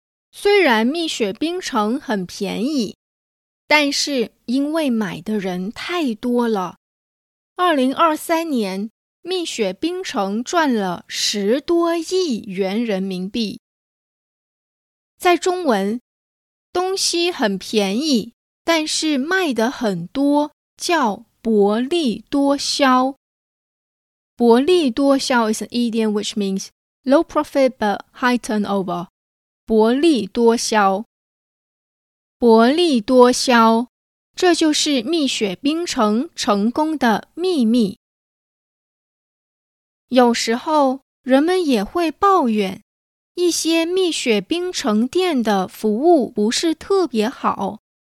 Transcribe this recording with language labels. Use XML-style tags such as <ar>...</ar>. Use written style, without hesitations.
<zh>虽然蜜雪冰城很便宜，但是因为买的人太多了，2023年蜜雪冰城赚了10多亿元人民币。在中文，东西很便宜，但是卖得很多，叫薄利多销。</zh> <en>薄利多销 is an idiom which means low profit but high turnover.</en> <zh>薄利多销。薄利多销，这就是蜜雪冰城成功的秘密。有时候，人们也会抱怨，一些蜜雪冰城店的服务不是特别好。</zh>